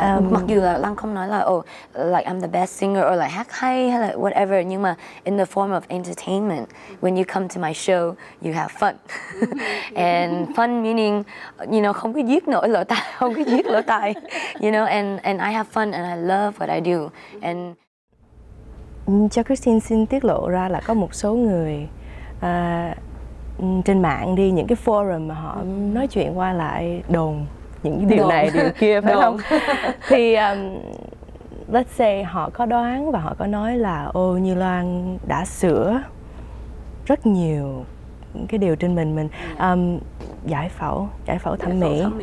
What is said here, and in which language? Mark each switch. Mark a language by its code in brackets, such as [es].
[vi] Mặc dù là Loan không nói là [en] oh like I'm the best singer or like [vi] hát hay hay là [en] whatever, [vi] nhưng mà [en] in the form of entertainment, when you come to my show you have fun. And fun meaning, you know, [vi] không có giết nổi lỗ tai, không có giết lỗ tai, [en] you know. And I have fun and I love what I do. And [vi] cho Kristine xin tiết lộ ra là có một số người trên mạng đi, những cái forum mà họ nói chuyện qua lại đồn những cái điều này điều kia, phải không? Thì [en] let's say [vi] họ có đoán và họ có nói là ô Nhu Loan đã sửa rất nhiều cái điều trên mình giải phẫu thẩm mỹ.